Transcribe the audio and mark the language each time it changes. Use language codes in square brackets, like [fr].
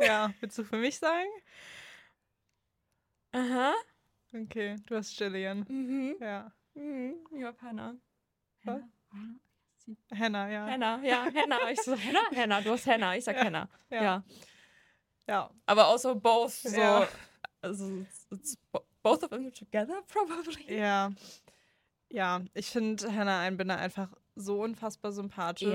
[de] Ja, willst du für mich sagen? Aha. Okay, du hast Jillian. Ja. Ja, Hannah. Was? Hannah? Hannah? Henna, ja. Hannah, ja, Hannah. Ich so, Hannah? Hannah, du hast Hannah. Ich sag Ja, Hannah. ja. Ja. Ja. Aber also both, Ja. [en] so, also, it's both of them together, probably. Ja. [de] Ja, ich finde Hannah Einbinder einfach so unfassbar sympathisch, wofür